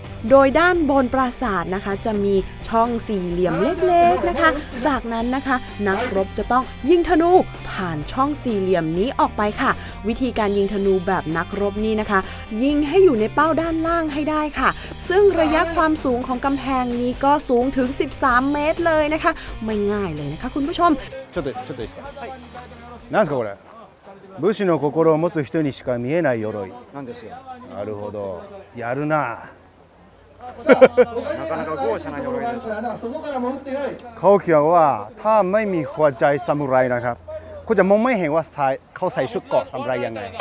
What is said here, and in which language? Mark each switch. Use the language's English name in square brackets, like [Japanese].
[Thai] โดยด้านบนปราสาทนะคะจะมีช่องสี่เหลี่ยมเล็กๆนะคะจากนั้นนะคะนักรบจะต้องยิงธนูผ่านช่องสี่เหลี่ยมนี้ออกไปค่ะวิธีการยิงธนูแบบนักรบนี้นะคะยิงให้อยู่ในเป้าด้านล่างให้ได้ค่ะซึ่งระยะความสูงของกำแพงนี้ก็สูงถึง13เมตรเลยนะคะไม่ง่ายเลยนะคะคุณผู้ชม [Japanese] ちょっとちょっといいですか。なんですかこれ。武士の心を持つ人にしか見えない鎧。なんですよ。なるほど。やるな。なかなか豪奢な鎧です。顔際は、他 [Thai] ไม่มีหัวใจซามูไรนะครับ。 คุณจะมองไม่เห็นว่าเขาใส่ชุดเกาะซามูไรยังไง。